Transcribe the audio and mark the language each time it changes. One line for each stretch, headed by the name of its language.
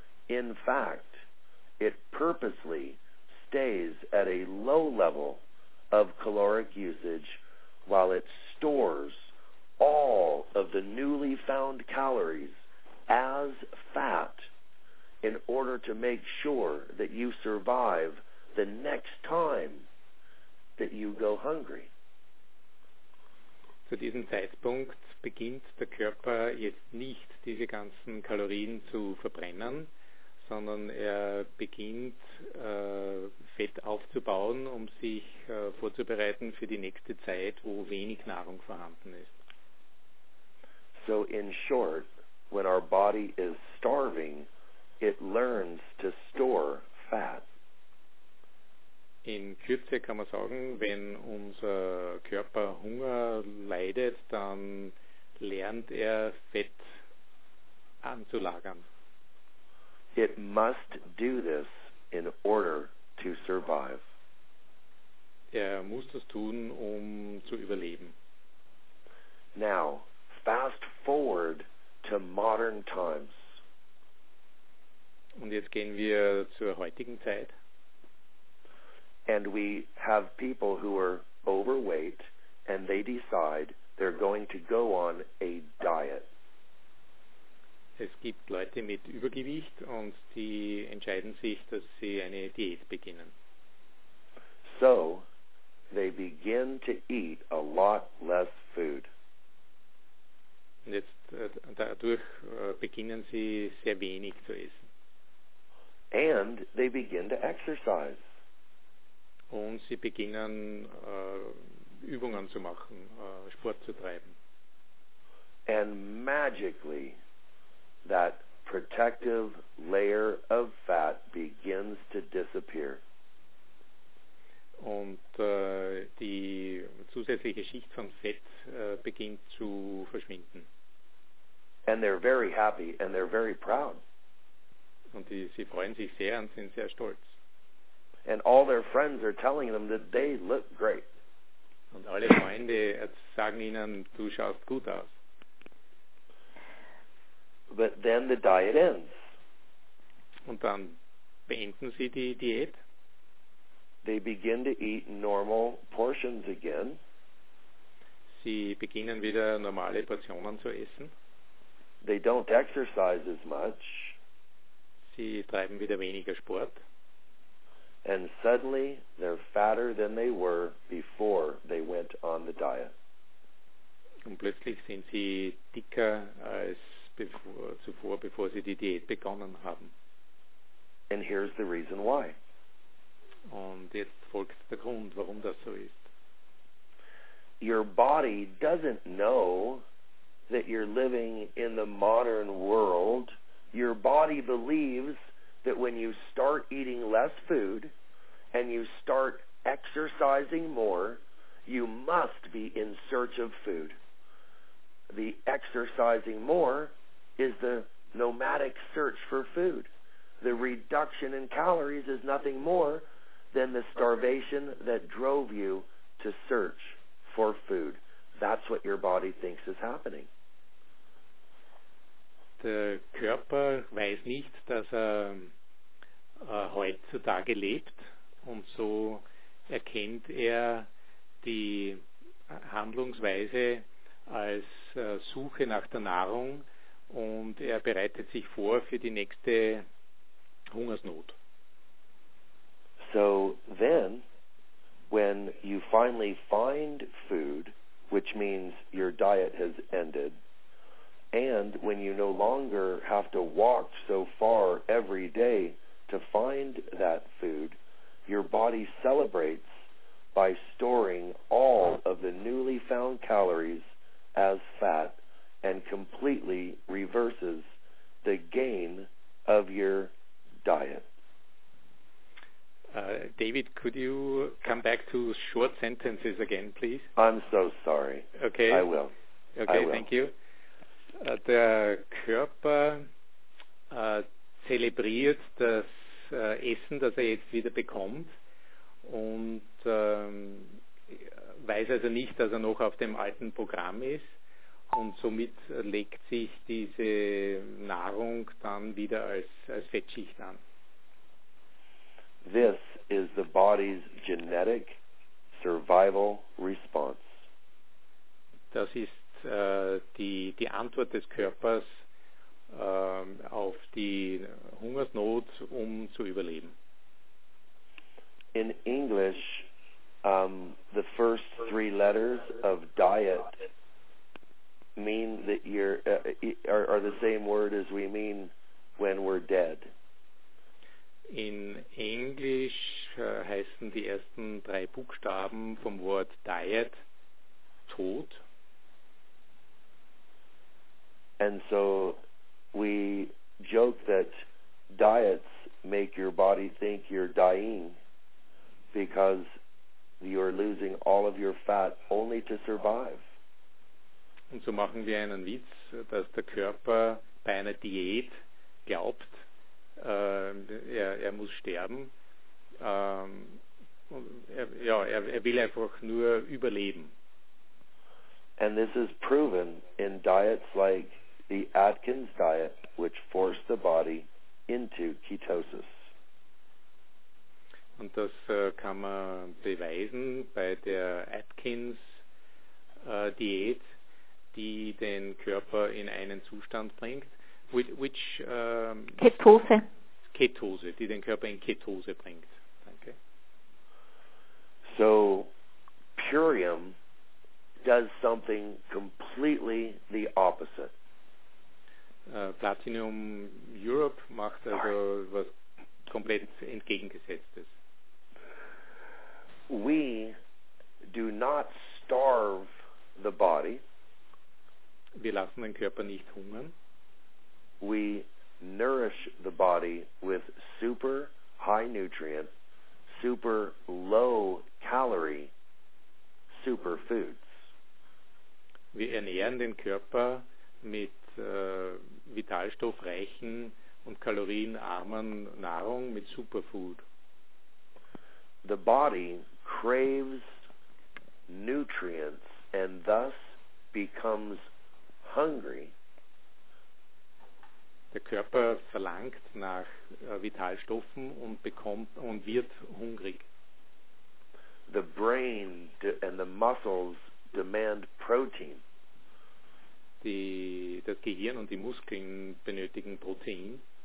English: In fact, it purposely stays at a low level of caloric usage while it stores all of the newly found calories as fat in order to make sure that you survive the next time that you go hungry.
German: Zu diesem Zeitpunkt beginnt der Körper jetzt nicht, diese ganzen Kalorien zu verbrennen, sondern er beginnt Fett aufzubauen, um sich vorzubereiten für die nächste Zeit, wo wenig Nahrung vorhanden ist.
English: So in short, when our body is starving, it learns to store fat.
German: In Kürze kann man sagen, wenn unser Körper Hunger leidet, dann lernt er Fett anzulagern.
English: It must do this in order to survive.
German: Er muss das tun, um zu überleben.
English: Now, fast forward to modern times.
German: Und jetzt gehen wir zur heutigen Zeit.
English: And we have people who are overweight and they decide they're going to go on a diet.
German: Es gibt Leute mit Übergewicht und die entscheiden sich, dass sie eine Diät beginnen.
English: So, they begin to eat a lot less food.
German: Und jetzt dadurch beginnen sie sehr wenig zu essen.
English: And they begin to exercise.
German: Und sie beginnen Übungen zu machen, Sport zu treiben.
English: And magically, that protective layer of fat begins to disappear.
German: Und die zusätzliche Schicht von Fett beginnt zu verschwinden.
English: And they're very happy and they're very proud.
German: Und sie freuen sich sehr und sind sehr stolz.
English: And all their friends are telling them that they look great.
German: Und alle Freunde sagen ihnen, du schaust gut aus.
English: But then the diet ends.
German: Und dann beenden sie die Diät.
English: They begin to eat normal portions again.
German: Sie beginnen wieder normale Portionen zu essen.
English: They don't exercise as much.
German: Sie treiben wieder weniger Sport.
English: And suddenly they're fatter than they were before they went on the diet.
German: Und plötzlich sind sie dicker als bevor sie die Diät begonnen haben.
English: And here's the reason why.
German: Und jetzt folgt der Grund, warum das so ist.
English: your body doesn't know that you're living in the modern world. Your body believes that when you start eating less food and you start exercising more, you must be in search of food. The exercising more is the nomadic search for food. The reduction in calories is nothing more than the starvation that drove you to search for food. That's what your body thinks is happening.
German: Der Körper weiß nicht, dass er heutzutage lebt, und so erkennt er die Handlungsweise als Suche nach der Nahrung, und er bereitet sich vor für die nächste Hungersnot.
English: So then, when you finally find food, which means your diet has ended, and when you no longer have to walk so far every day to find that food, your body celebrates by storing all of the newly found calories as fat and completely reverses the gain of your diet. David, could you come back to short sentences again, please? I'm so sorry. Okay. I will. Okay, I will. Thank you.
German: Der Körper zelebriert das Essen, das er jetzt wieder bekommt, und weiß also nicht, dass er noch auf dem alten Programm ist, und somit legt sich diese Nahrung dann wieder als Fettschicht an.
English: This is the body's genetic survival response.
German: Das ist die Antwort des Körpers auf die Hungersnot, um zu überleben.
English: In English, the first three letters of diet mean that you're are the same word as we mean when we're dead.
German: In Englisch heißen die ersten drei Buchstaben vom Wort Diet Tod.
English: And so we joke that diets make your body think you're dying because you're losing all of your fat only to survive.
German: Und so machen wir einen Witz, dass der Körper bei einer Diät glaubt, er muss sterben. Er will einfach nur überleben.
English: And this is proven in diets like the Atkins diet, which forced the body into ketosis.
German: Und das kann man beweisen bei der Atkins Diät, die den Körper in einen Zustand bringt, Ketose. Ketose, die den Körper in Ketose bringt. Danke.
English: So, Purium does something completely the opposite.
German: Platinum Europe macht also was komplett Entgegengesetztes.
English: We do not starve the body.
German: Wir lassen den Körper nicht hungern.
English: We nourish the body with super high nutrient, super low calorie, super foods.
German: Wir ernähren den Körper mit vitalstoffreichen und kalorienarmen Nahrung, mit Superfood.
English: The body craves nutrients and thus becomes hungry.
German: Der Körper verlangt nach Vitalstoffen und bekommt und wird hungrig.
English: The brain and the muscles demand protein.
German: Das Gehirn und die Muskeln benötigen Protein.